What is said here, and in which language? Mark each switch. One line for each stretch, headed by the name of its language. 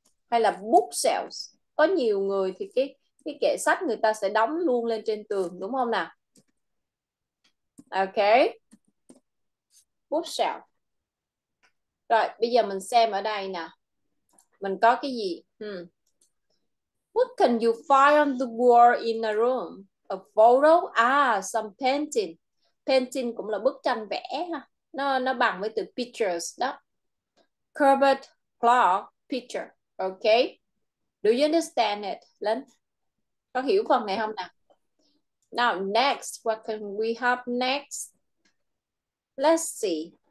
Vietnamese: Hay là bookshelves. Có nhiều người thì cái kệ sách người ta sẽ đóng luôn lên trên tường đúng không nào? Okay. Bookshelf. Rồi, bây giờ mình xem ở đây nè. Mình có cái gì?
English: What can you find on the wall in a room? A photo? Some painting.
Vietnamese: Painting cũng là bức tranh vẽ ha. Nó bằng với từ pictures đó. Cupboard, clock, picture. Okay.
English: Do you understand it, Lynn?
Vietnamese: Có hiểu phần này không nào?
English: Now, next, what can we have next? Let's see.